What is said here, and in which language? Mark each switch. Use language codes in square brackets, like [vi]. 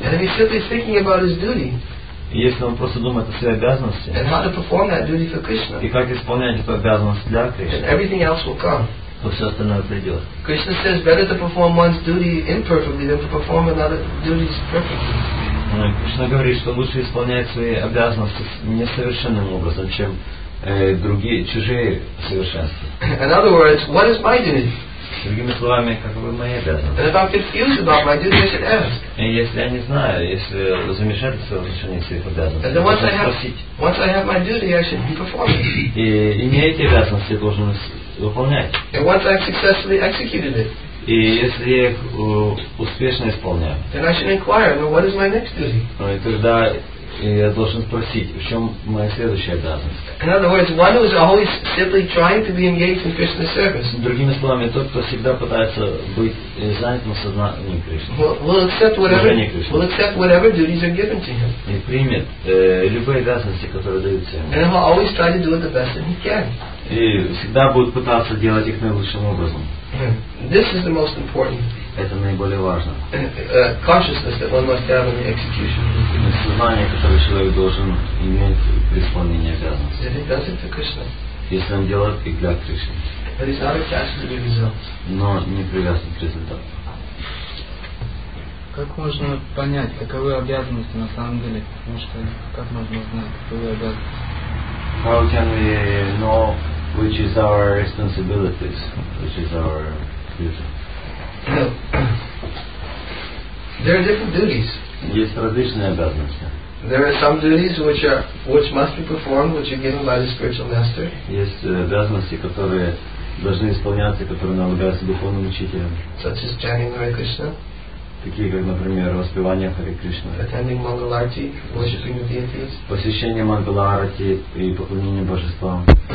[en] And if he's simply thinking about his duty. [ru] Если он просто думает о своей обязанности. [en] And how to perform that duty for Krishna. [ru] И как исполнять эту обязанность для Кришны. [en] And everything else will come. [ru] То все остальное придет. [en] Krishna says, better to perform one's duty imperfectly than to perform another duty's perfectly. [ru] Кришна говорит, что лучше исполнять свои обязанности несовершенным образом, чем другие чужие совершенства. [en] In other words, what is my duty? [ru] Другими словами, каковы мои обязанности? [en] And if I'm confused about my duty, I should ask. [ru] Если я не знаю, если замешательство в отношении своих обязанностей, то спросить. [en] Once I have my duty, I should be performing. [ru] И имея эти обязанности, я должен выполнять. [en] And once I've successfully executed it. [ru] И если я их успешно исполняю, [en] then I should inquire, well, what is my next duty? [ru] И тогда я должен спросить, в чем моя следующая обязанность. [en] In other words, one who is always simply trying to be engaged in Krishna service. [ru] Другими словами, тот, кто всегда пытается быть занятым сознанием Кришны. [en] Will accept whatever duties are given to him. [ru] И примет любые обязанности, которые даются ему. [en] And he will always try to do it the best that he can. [ru] И всегда будет пытаться делать их наилучшим образом. [en] This is the most important. [ru] Это наиболее важно. [en] Consciousness that one must have in the execution. [ru] Сознание, которое человек должен иметь при исполнении обязанностей. [en] If he does it for Krishna. [ru] Если он делает их для Кришны. [en] But he's not attached to the results. [ru] Но не привязан к результату. Как можно понять, каковы обязанности на самом деле? Потому что как можно знать, каковы обязанности? [en] How can we know which is our responsibilities, which is our duty? There are different duties. [ru] Есть различные обязанности. [en] There are some duties which must be performed, which are given by the spiritual master. [ru] Есть обязанности, которые должны исполняться, которые налагаются духовным учителем. [en] Such as chanting Hare Krishna. [ru] Такие как, например, воспевание Хари Кришны. [en] Attending Mangal Arati, worshiping the deities. [ru] Посещение Мангала Арати и поклонение божествам.